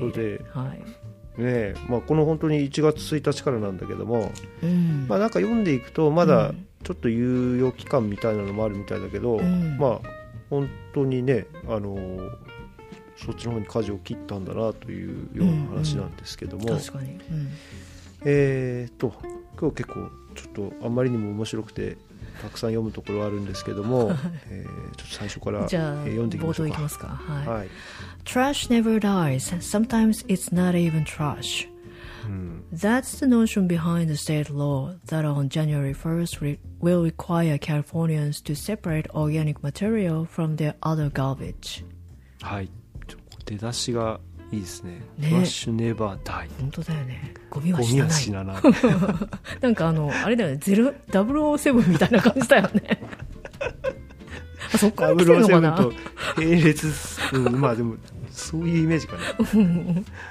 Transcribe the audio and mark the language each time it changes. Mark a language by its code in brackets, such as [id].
[ja] ということで、ねえ、まあ、この本当に1月1日からなんだけども、まあ、なんか読んでいくとまだちょっと猶予期間みたいなのもあるみたいだけど、まあ、本当にね、そっちの方に舵を切ったんだなというような話なんですけども、確かに、今日結構ちょっとあまりにも面白くてたくさん読むところはあるんですけども、ちょっと最初から読んでいきましょうか。冒頭いきますか。はい。 [en] Trash never dies. Sometimes it's not even trash. That's the notion behind the state law that on January 1st will require Californians to separate organic material from their other garbage. [ja] はい、出だしがいいですね。ね、 [en] Trash never die。 [ja] 本当だよね。ゴミは死なない。ゴミは死なない。なんかあのあれだよね、007みたいな感じだよね。あ、そっから来てるのかな。007と並列、うん、まあでもそういうイメージかな。